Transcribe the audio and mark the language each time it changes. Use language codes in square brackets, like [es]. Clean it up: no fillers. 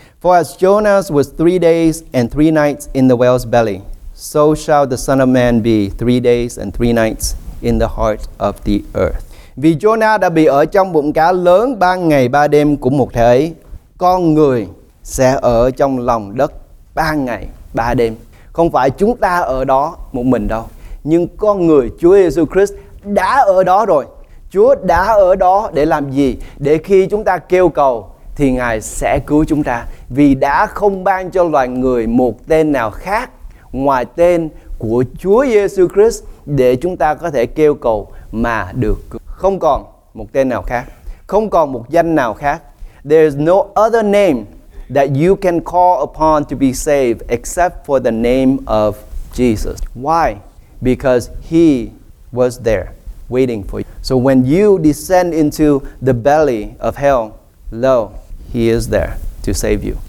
[en] For as Jonah was 3 days and 3 nights in the whale's belly, so shall the Son of Man be 3 days and 3 nights in the heart of the earth. [vi] Vì Jonah đã bị ở trong bụng cá lớn 3 ngày 3 đêm của một thể ấy, con người sẽ ở trong lòng đất 3 ngày 3 đêm. Không phải chúng ta ở đó một mình đâu, nhưng con người Chúa Giêsu Christ đã ở đó rồi. Chúa đã ở đó để làm gì? Để khi chúng ta kêu cầu thì Ngài sẽ cứu chúng ta. Vì đã không ban cho loài người một tên nào khác ngoài tên của Chúa Giêsu Christ để chúng ta có thể kêu cầu mà được cứu. Không còn một tên nào khác, không còn một danh nào khác. [en] There is no other name that you can call upon to be saved except for the name of Jesus. Why? Because He was there waiting for you. So when you descend into the belly of hell, lo, He is there to save you.